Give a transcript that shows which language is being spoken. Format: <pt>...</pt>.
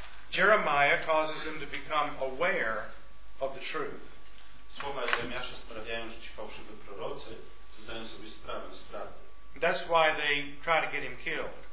<en>Jeremiah causes him to become aware of the truth.</en> <pl>Słowa Jeremiasza sprawiają, że ci fałszywi prorocy zdają sobie sprawę z prawdy.</pl> <en>That's why they try to get him killed.</en>